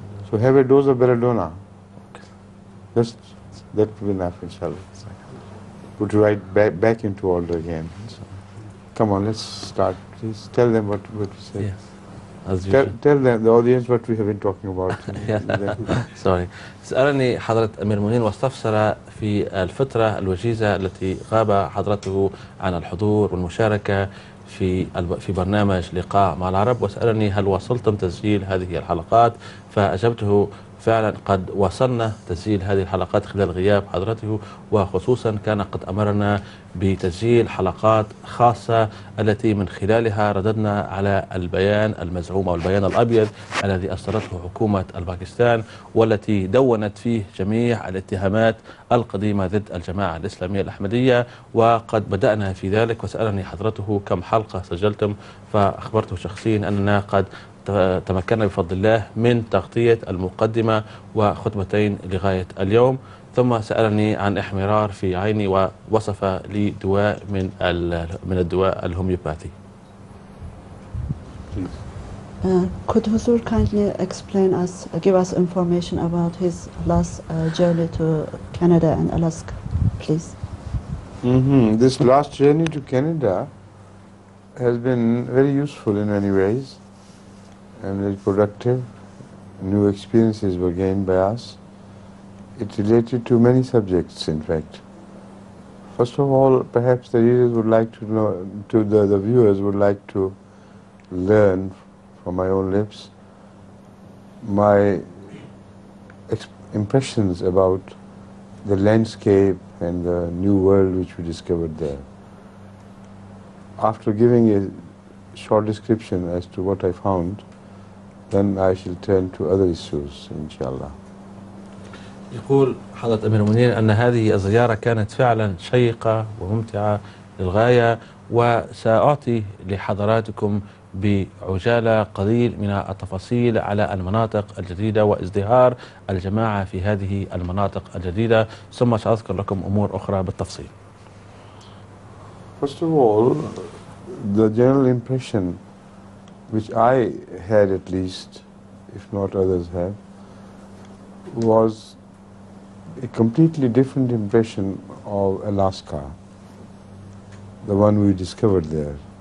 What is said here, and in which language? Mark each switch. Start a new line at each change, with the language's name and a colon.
English: So have a dose of Belladonna. Okay. Just that will be enough, inshallah. Put right back into order again. Come on, let's start. Please tell them what you said. Yes. As usual. Tell them, the audience, what we have been talking about. Sorry.
Arabic: سألني حضرة أمير المؤمنين واستفسر في الفترة الوجيزة التي غاب حضرته عن الحضور والمشاركة في برنامج لقاء مع العرب وسألني هل وصلتم تسجيل هذه الحلقات فأجبته فعلا قد وصلنا تسجيل هذه الحلقات خلال غياب حضرته وخصوصا كان قد أمرنا بتسجيل حلقات خاصة التي من خلالها رددنا على البيان المزعوم أو البيان الأبيض الذي أصدرته حكومة الباكستان والتي دونت فيه جميع الاتهامات القديمة ضد الجماعة الإسلامية الأحمدية وقد بدأنا في ذلك وسألني حضرته كم حلقة سجلتم فأخبرته شخصيا أننا قد تمكنا بفضل الله من تغطية المقدمة وخطبتين لغاية اليوم ثم سألني عن إحمرار في عيني ووصف لي دواء من الدواء الهوميوباثي.
English: Could Huzur kindly explain us, give us information about his last journey to Canada and Alaska, please? This last journey to Canada has been very useful in many ways and very productive. New experiences were gained by us. It related to many subjects, in fact. First of all, perhaps the readers would like to know, to the viewers would like to learn from my own lips my impressions about the landscape and the new world which we discovered there. After giving a short description as to what I found, then I shall turn to other issues, inshallah.
Arabic: يقول حضرة أمير المؤمنين أن هذه الزيارة كانت فعلا شيقة وممتعة للغاية وسأعطي لحضراتكم بعجالة قليل من التفاصيل على المناطق الجديدة وازدهار الجماعة في هذه المناطق الجديدة ثم سأذكر لكم أمور أخرى بالتفصيل.
English: First of all, the general impression which I had at least, if not others have, was a completely different impression of Alaska, the one we discovered there.